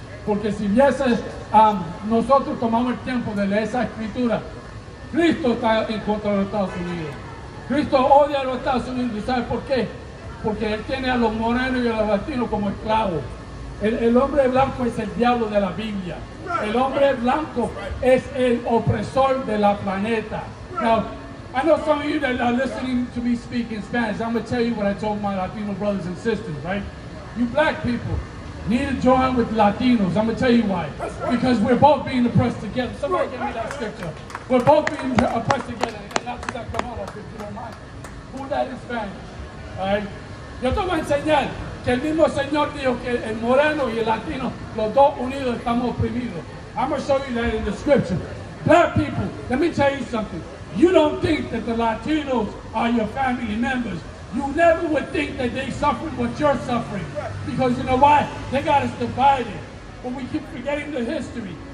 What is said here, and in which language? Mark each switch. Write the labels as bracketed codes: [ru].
[es] Porque si viese, nosotros tomamos el tiempo de leer esa escritura, Cristo está en contra de los Estados Unidos. Cristo odia a los Estados Unidos. ¿Y sabes por qué? Porque él tiene a los morenos y a los latinos como esclavos. El hombre blanco es el diablo de la Biblia. El hombre blanco es el opresor de la planeta. [en] Now, I know some of you that are listening to me speak in Spanish. I'm going to tell you what I told my Latino brothers and sisters, right? You black people need to join with Latinos. I'm going to tell you why. Because we're both being oppressed together. Somebody give me that scripture. We're both being oppressed together. And that's that Kamala, if you don't mind. Who that is Spanish? All right? [es] Yo te voy a enseñar que el mismo Señor dijo que el moreno y el latino, los dos unidos estamos oprimidos. [en] I'm going to show you that in the scripture. Black people, let me tell you something. You don't think that the Latinos are your family members. You never would think that they suffering what you're suffering. Because you know why? They got us divided. But we keep forgetting the history.